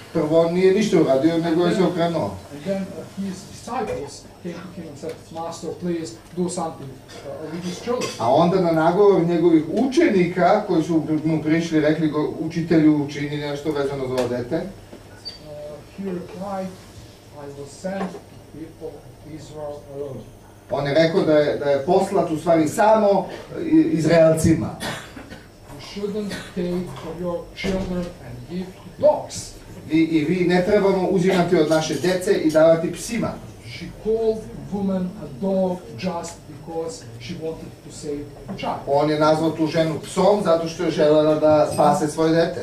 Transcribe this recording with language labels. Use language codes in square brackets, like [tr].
[sr] Prvo on nije ništa uradio, nego je se okrenuo. [en] And then his disciples came to him and said, Master, please do something with his children. [sr] A onda na nagovor njegovih učenika, koji su mu prišli, rekli go, učitelju, učini nešto vezano za ovo dete. [en] He replied, I was sent to people Israel alone. [sr] On je rekao da je poslat u stvari samo Izraelcima. [en] Shouldn't take from your children and give to dogs. [sr] Vi ne trebamo uzimati od naše dece i davati psima. [en] She called the woman a dog just because she wanted to save the child. [sr] On je nazvao tu ženu psom zato što je želela da spase svoje dete.